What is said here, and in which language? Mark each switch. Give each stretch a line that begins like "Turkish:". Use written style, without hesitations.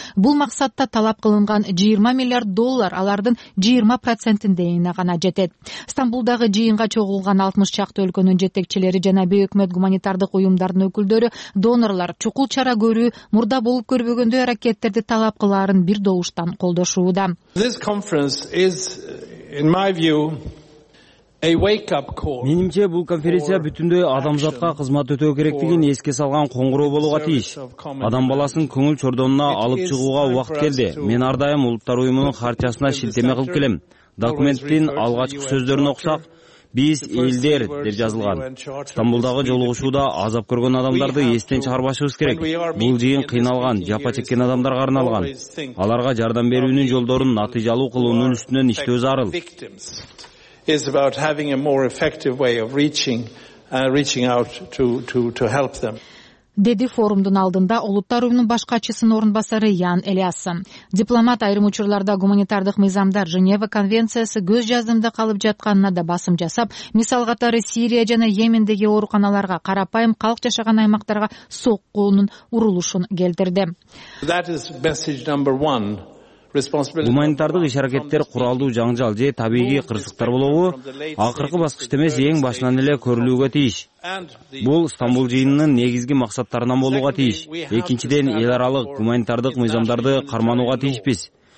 Kyrgyz: Бул максатта талап кылынган 20 миллиард доллар алардын 20% деңгээлине гана жетет. Стамбулдагы жыйынга чогулган 60 чакты өлкөнүн жетекчилери жана бейөкмөт гуманитардык уюмдардын өкүлдөрү, донорлор чукул чара көрүү, мурда болуп көрбөгөндөй аракеттерди талап кылаарын бир добуштан колдошууда.
English: This conference is in my view a wake-up call.
Kyrgyz: Менимче бул конференция бүтүндөй адамзатка кызмат өтөө керектигин эске салган коңгуроо болууга тийиш. Адам баласын көңүл чордонуна алып чыгууга убакыт келди. Мен ар дайым улуттар уюмунун харчасына шилтеме кылып келем. Документтин алгачкы сөздөрүн окусак, биз элдер деп жазылган. Стамбулдагы жолугушууда азап көргөн адамдарды эстен чыгарбашыбыз керек. Бул жыйын кыйналган, жапа чеккен адамдарга арналган. Аларга жардам берүүнүн жолдорун натыйжалуу кылуунун үстүнөн иштөө зарыл.
English: Is about having a more effective way of reaching out to help them.
Kyrgyz: Деди форумдун алдында улуттар уюмунун башкачысынын орун басары Ян Элиасын. Дипломат айрым учурларда гуманитардык мыйзамдар Женева конвенциясы көз жаздымда калып жатканына да басым жасап, мисал катары Сирия жана Йемендеги ооруканаларга, карапайым калк жашаган аймактарга соккуунун урулушун келтирди.
English: That is message number one.
Kyrgyz: Гуманитардык иш-аракеттер куралдуу жаңжал же табигый кырсыктар болобу, акыркы баскычта эмес, эң башынан эле көрүлүүгө тийиш. Бул Стамбул жыйынынын негизги максаттарынан болууга тийиш. Экинчиден, эл аралык гуманитардык мыйзамдарды карманууга тийишпиз.